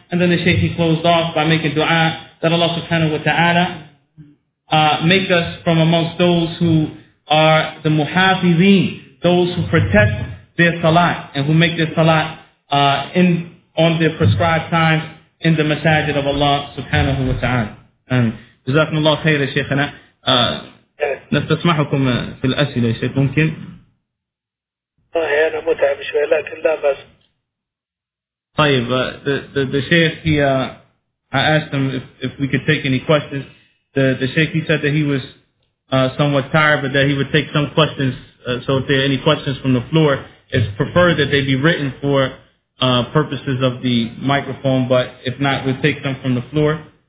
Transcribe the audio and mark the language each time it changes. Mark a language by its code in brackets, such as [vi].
[en] And then the Shaykh, he closed off by making dua that Allah subhanahu wa ta'ala make us from amongst those who are the muhafizin, those who protect their salat and who make their salat on their prescribed times in the masajid of Allah subhanahu wa ta'ala. [ar] جزاكم الله خير يا شيخنا. نستسمحكم في الأسئلة يا شيخ ممكن؟ أنا متعب شوي لكن لا بأس. [en] طيب, the Shaykh, I asked him if we could take any questions. The Shaykh, he said that he was somewhat tired, but that he would take some questions. So if there are any questions from the floor, it's preferred that they be written for purposes of the microphone, but if not, we'll take some from the floor.